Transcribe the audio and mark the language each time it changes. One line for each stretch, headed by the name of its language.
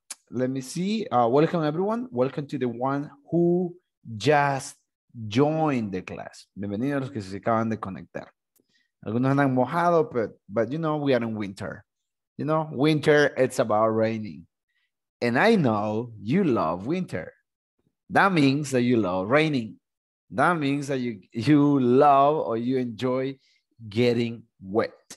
English: Let me see. Welcome, everyone. Welcome to the one who just join the class.
Spanish: Bienvenidos a los que se acaban de conectar. Algunos andan mojados,
English: but you know, we are in winter. You know, winter, it's about raining. And I know you love winter. That means that you love raining. That means that you love or you enjoy getting wet.